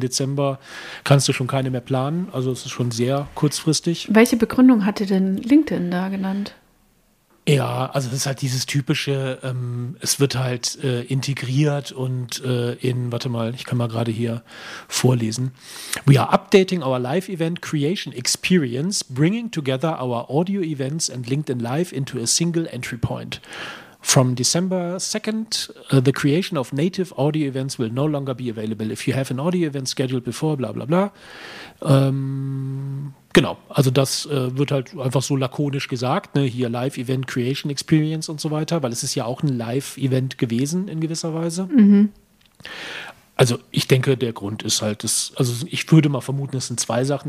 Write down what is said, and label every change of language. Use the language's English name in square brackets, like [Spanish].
[German] Dezember kannst du schon keine mehr planen. Also es ist schon sehr kurzfristig. Welche Begründung hatte denn LinkedIn da genannt? Ja, also es ist halt dieses typische, es wird halt integriert und ich kann mal gerade hier vorlesen. [English] We are updating our live event creation experience, bringing together our audio events and LinkedIn Live into a single entry point. From December 2nd, the creation of native audio events will no longer be available. If you have an audio event scheduled before, bla bla bla. [German] Genau, also das wird halt einfach so lakonisch gesagt, ne? Hier Live-Event Creation Experience und so weiter, weil es ist ja auch ein Live-Event gewesen in gewisser Weise. Mhm. Also ich denke, der Grund ist halt, ich würde mal vermuten, es sind zwei Sachen.